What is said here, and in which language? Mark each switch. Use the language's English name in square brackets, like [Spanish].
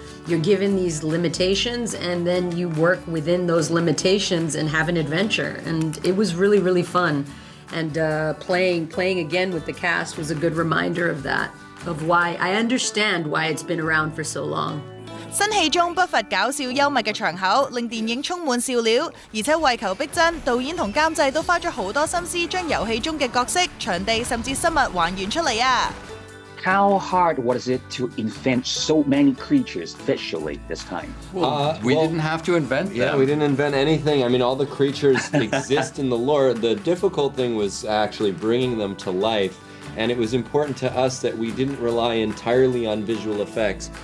[English] You're given these limitations and then you work within those limitations and have an adventure. And it was really, really fun. And playing again with the cast was a good reminder of that, of why I understand why it's been around for so long. [Cantonese] 新戏中不乏搞笑幽默嘅场口，令电影充满笑料。而且为求逼真，导演同监制都花咗好多心思将游戏中嘅角色、场地甚至生物还原出嚟啊！ [English] How hard was it to invent so many creatures visually this time? We didn't have to invent them. Yeah, we didn't invent anything. I mean, all the creatures exist in the lore. The difficult thing was actually bringing them to life. And it was important to us that we didn't rely entirely on visual effects.